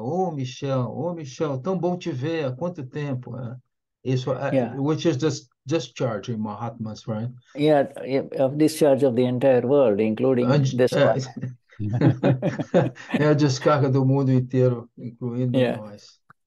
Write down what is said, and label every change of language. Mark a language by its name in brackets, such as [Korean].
[Portuguese] Ô Michel, tão bom te ver, há quanto tempo? [English] Which is discharge in Mahatmas, right? Of discharge of the entire world, including this one. [Portuguese] É a descarga do mundo inteiro, incluindo nós.